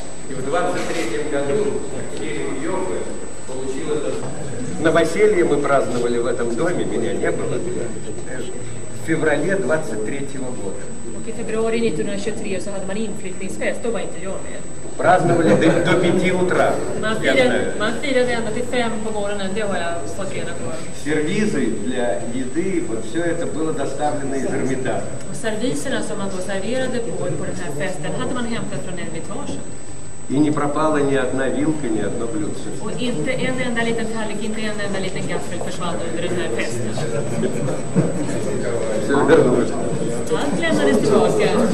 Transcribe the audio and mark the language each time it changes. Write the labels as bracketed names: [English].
[Russian] И в 23-м году Кирилл-Йога получил этот... Новоселье мы праздновали в этом доме, меня не было, в феврале 23-го года. [Swedish] I februari 1923 så hade man inflyttningsfest, då var inte jag med. [Russian] Праздновали до 5 утра. [Swedish] Man firade ända till 5 på morgonen, det har jag fått reda på. [Russian] Сервизы для еды, вот все это было доставлено из Эрмитажа. [Swedish] Сервизерna som man då serverade på den här festen hade man hämtat från Эрмитажen. [Russian] И не пропала ни одна вилка, ни одно блюдце. [Swedish] Och inte en enda liten tallrik, inte en enda liten gaffel försvann under den här festen. [Russian] Все вернулось. [Swedish] Allt lämnades tillbaka.